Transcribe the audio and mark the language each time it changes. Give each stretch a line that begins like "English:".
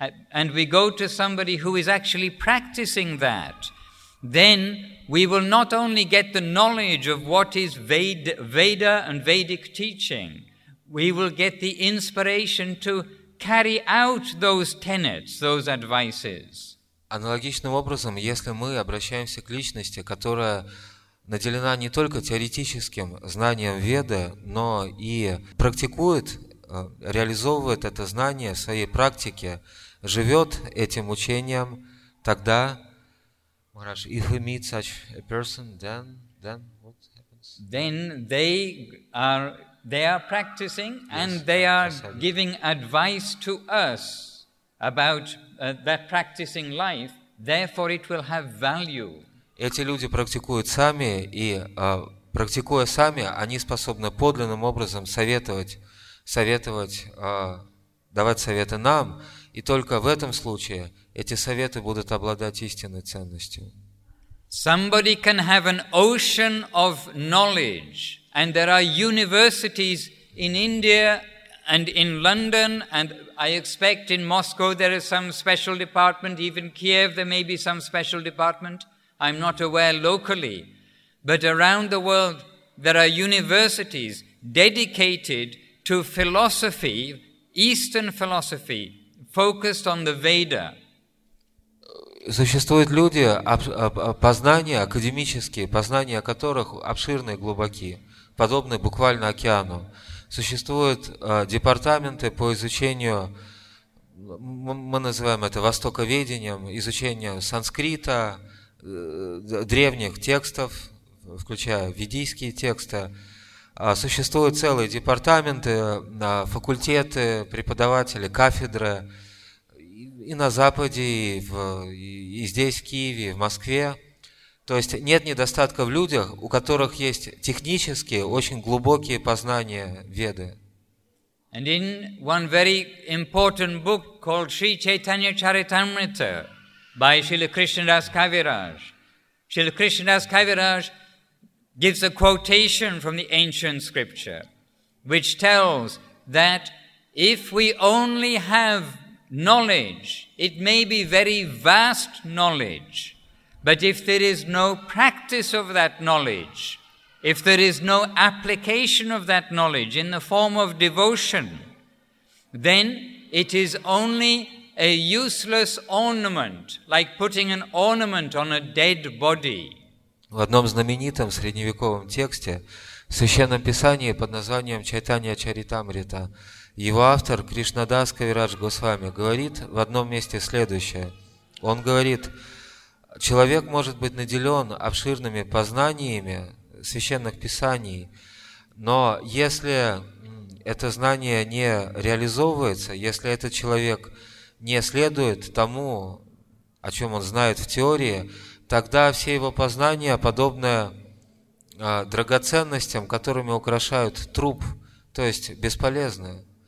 English: and we go to somebody who is actually practicing that, then we will not only get the knowledge of what is Veda and Vedic teaching, we will get the inspiration to carry out those tenets, those advices.
Russian: Аналогичным образом, если мы обращаемся к личности, которая наделена не только теоретическим знанием Веды, но и практикует, реализовывает это знание в своей практике, живет этим учением, тогда...
English: If we meet such a person, then what happens? Then they are practicing, and yes, they are giving advice to us about that practicing life, therefore it will have value.
Russian: Эти люди практикуют сами, и практикуя сами, они способны подлинным образом давать советы нам, и только в этом случае эти советы будут обладать истинной ценностью.
English: Somebody can have an ocean of knowledge, and there are universities in India and in London, and I expect in Moscow there is some special department, even Kiev there may be some special department. I'm not aware locally, but around the world there are universities dedicated to philosophy, Eastern philosophy, focused on the Veda.
Russian: Существуют люди, познания академические, познания которых обширны и глубоки, подобны буквально океану. Существуют департаменты по изучению, мы называем это востоковедением, изучение санскрита, древних текстов, включая ведийские тексты. Существуют целые департаменты, факультеты, преподаватели, кафедры и на Западе, и здесь, в Киеве, и в Москве. То есть нет недостатка в людях, у которых есть технические, очень глубокие познания Веды.
English: And in one very important book called Sri Chaitanya Charitamrita by Srila Krishnadas Kaviraj, Srila Krishnadas Kaviraj gives a quotation from the ancient scripture, which tells that If we only have knowledge, it may be very vast knowledge, but if there is no practice of that knowledge, if there is no application of that knowledge in the form of devotion, then it is only a useless ornament, like putting an ornament on a dead body.
Russian: В одном знаменитом средневековом тексте в Священном Писании под названием «Чайтанья Чаритамрита» его автор Кришнадас Кавирадж Госвами говорит в одном месте следующее. Он говорит, человек может быть наделен обширными познаниями священных писаний, но если это знание не реализовывается, если этот человек не следует тому, о чем он знает в теории, тогда все его познания подобны драгоценностям, которыми украшают труп, то есть бесполезны.